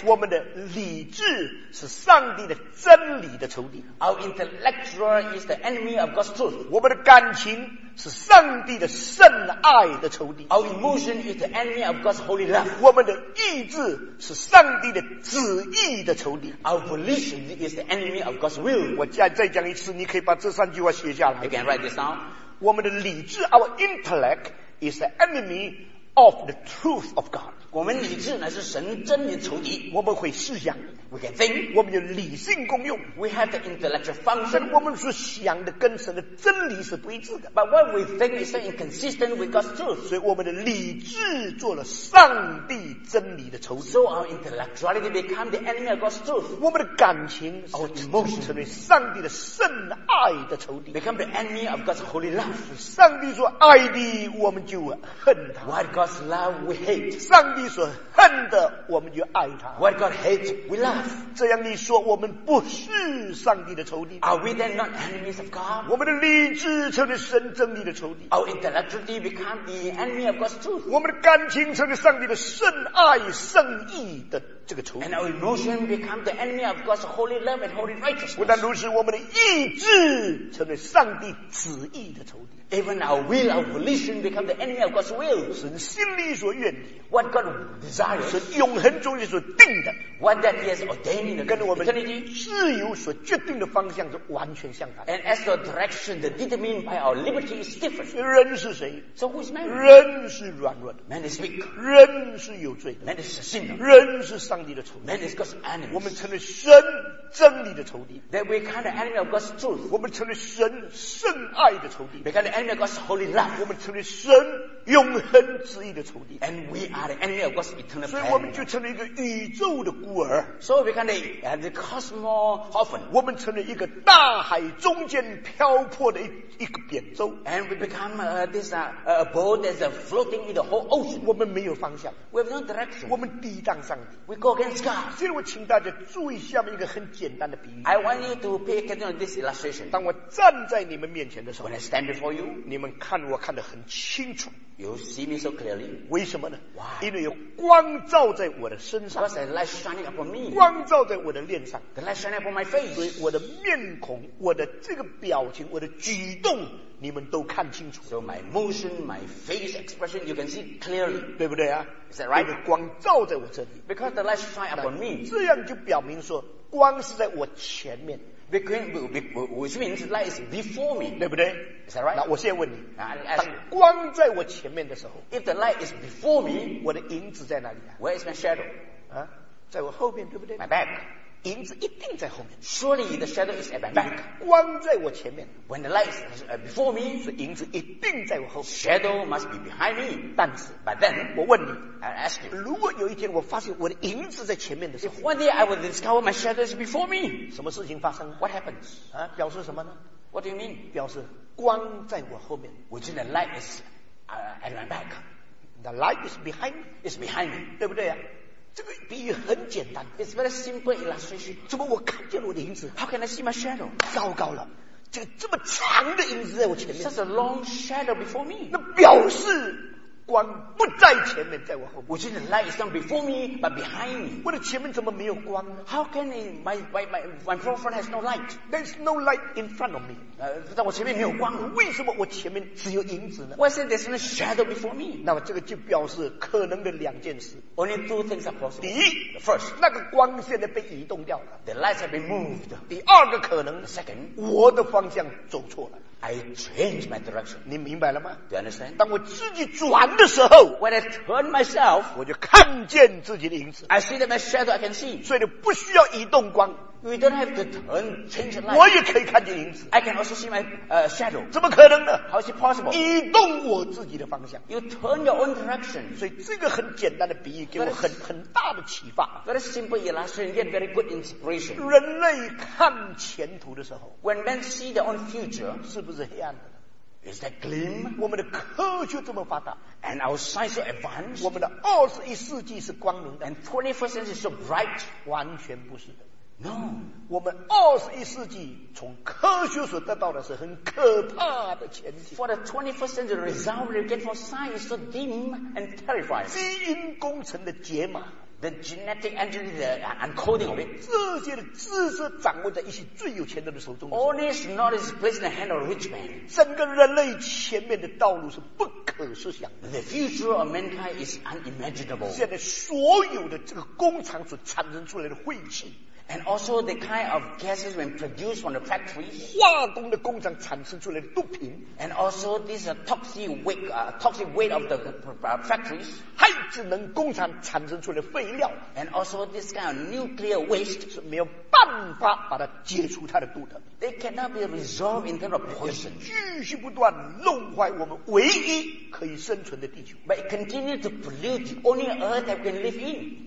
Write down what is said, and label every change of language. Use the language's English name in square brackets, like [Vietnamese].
[Chinese] 我们的理智是上帝的真理的仇敌。 [English] Our intellectual is the enemy of God's truth. [Chinese] 我们的感情。是上帝的圣爱的仇敌。 [English] Our emotion is the enemy of God's holy love. [Chinese] 我们的意志是上帝的旨意的仇敌。 [English] Our volition is the enemy of God's will. [Chinese] 我再讲一次，你可以把这三句话写下来。 [English] You can write this down. [Chinese] 我们的理智 [English] ，our intellect is the enemy of the truth of God. [Chinese] 我们理智乃是神真理的仇敌。我们会思想。 [English] We can think. [Chinese] 我们有理性功用。 [English] We have the intellectual function. [Chinese] 我们所想的跟神的真理是不一致的。 [English] But what we think is inconsistent with God's truth. [Chinese] 所以我们的理智做了上帝真理的仇敌。 [English] So our intellectuality become the enemy of God's truth. [Chinese] 我们的感情 [English] ，our emotion [Chinese] 成为上帝的圣爱的仇敌。 [English] Become the enemy of God's holy love. [Chinese] 上帝说爱你，我们就恨他。 [English] What God's love we hate. [Chinese] 上帝说恨的，我们就爱他。 [English] What God hates we love. [Chinese] 这样你说我们不是上帝的仇敌 [English] Are we then not enemies of God? [Chinese] 我们的理智成为神真理的仇敌 [English] Our intellectuality become the enemy of God's truth [Chinese] 我们的感情成为上帝的圣爱圣义的这个仇敌 [English] And our emotion become the enemy of God's holy love and holy righteousness [Chinese] 不但如此我们的意志成为上帝旨意的仇敌 [English] Even our will, our volition become the enemy of God's will [Chinese] 神心里所愿意 [English] What God desires [Chinese] 神永恒中心所定的 [English] What that he has ordained in the eternity [Chinese] 跟我们自由所决定的方向是完全相反 [English] And as the direction that determined by our liberty is different [Chinese] 人是谁 [English] So who is man? [Chinese] 人是软弱的 [English] Man is weak [Chinese] 人是有罪的 [English] Man is a sinner [Chinese] 人是上帝的仇敌 [English] Man is God's enemy [Chinese] 我们成为神真理的仇敌 [English] That we become the enemy of God's truth [Chinese] 我们成为神圣爱的仇敌 [English] Become the enemy of God's holy love [Chinese] 我们成为神永恒旨意的仇敌 [English] And we are the enemy of God's eternal enemy [Chinese] 所以我们就成了一个宇宙的孤儿 [English] So we become the cosmos orphan [Chinese] 我们成了一个大海中间漂泊的一个扁舟 [English] And we become a boat that's floating in the whole ocean [Chinese] 我们没有方向 [English] We have no direction [Chinese] 我们抵挡上帝 [English] We go against God [Chinese] 所以我请大家注意下面一个很简单的比喻 [English] I want you to pay attention to this illustration [Chinese] 当我站在你们面前的时候 [English] When I stand before you [Chinese] 你们看我看得很清楚 [English] You see me so clearly. [Chinese] 为什么呢 [English] Why? [Chinese] 因为有光照在我的身上 [English] Because the light shining upon me. [Chinese] 光照在我的脸上 [English] The light shining upon my face. [Chinese] 所以我的面孔我的这个表情我的举动你们都看清楚 [English] So my motion, my face expression you can see clearly. [Chinese] 对不对啊 [English] Is that right? [Chinese] 因为光照在我这里 [English] Because the light shining upon me. [Chinese] 这样就表明说光是在我前面 [English] Which means light is before me. [Chinese] 对不对 [English] Is that right? [Chinese] 那我现在问你 [English] ask, [Chinese] 当光在我前面的时候 [English] If the light is before me [Chinese] 我的影子在哪里、啊、 [English] Where is my shadow?、 [Chinese] 啊、在我后面对不对 [English] My back [Chinese] 影子一定在后面 [English] Surely the shadow is at my back [Chinese] 光在我前面 [English] When the light is before me [Chinese] 所以影子一定在我后面 [English] Shadow must be behind me [Chinese] 但是 [English] But then [Chinese] 我问你 [English] I ask you [Chinese] 如果有一天我发现我的影子在前面的时候 [English] If one day I would discover my shadow is before me [Chinese] 什么事情发生 [English] What happens?、 [Chinese] 啊、表示什么呢 [English] What do you mean? [Chinese] 表示光在我后面 [English] Which the light is at my back The light is behind me Is behind me [Chinese] 对不对、啊、这个比喻很简单 [English] It's very simple illustration [Chinese] 怎么我看见了我的影子 [English] How can I see my shadow [Chinese] 糟糕了这个这么长的影子在我前面 [English] Such a long shadow before me [Chinese] 那表示光不在前面在我后面 [English] Which the light is not before me But behind me [Chinese] 我的前面怎么没有光呢 [English] How can it, my forefront has no light There's no light in front of me [Chinese] 在我前面没有光为什么我前面只有影子呢 [English] Why is there no shadow before me [Chinese] 那么这个就表示可能的两件事 [English] Only two things are possible [Chinese] 第一 [English] First [Chinese] 那个光现在被移动掉了 [English] The lights have been moved [Chinese] 第二个可能 [English] The second [Chinese] 我的方向走错了 [English] I change my direction. [Chinese] 你明白了吗 [English] Do you understand? [Chinese] 当我自己转的时候 [English] When I turn myself, [Chinese] 我就看见自己的影子 [English] I see that my shadow I can see. [Chinese] 所以你不需要移动光 [English] You don't have to turn, change the light. [Chinese] 我也可以看见影子 [English] I can also see my shadow. [Chinese] 怎么可能呢 [English] How is it possible? [Chinese] 移动我自己的方向 [English] You turn your own direction. [Chinese] 所以这个很简单的比喻给我很大的启发 [English] Very simple illustration, yet very good inspiration. [Chinese] 人类看前途的时候 [English] When men see their own future, [Chinese] 是不是黑暗的 [English] Is that gleam? [Chinese] 我们的科学这么发达 [English] And our science so advanced [Chinese] 我们的21世纪是光明的 [English] And 21st century is so bright [Chinese] 完全不是的 [English] No. [Chinese] 我们二十一世纪从科学所得到的是很可怕的前景。 [English] For the 21st century, the result we get from science is so dim and terrifying. [Chinese] 基因工程的解码。 [English] The genetic engineering, the encoding of it. [Chinese] 这些的知识掌握在一些最有钱人的手中。 [English] All this knowledge is placed in the hand of a rich man. [Chinese] 整个人类前面的道路是不可设想的。 [English] The future of mankind is unimaginable. [Chinese] 现在所有的这个工厂所产生出来的废气。 [English] And also the kind of gases when produced from the factory. [Chinese] 化工的工厂产生出来的毒品。 [English] And also this toxic weight of the factories. [Chinese] 还只能工厂产生出来的废料。 [English] And also this kind of nuclear waste. [Chinese] 是没有办法把它解除它的毒的。 [English] They cannot be resolved in terms of poison. [Chinese] 继续不断弄坏我们唯一可以生存的地球。 [English] But it continues to pollute the only earth that we can live in.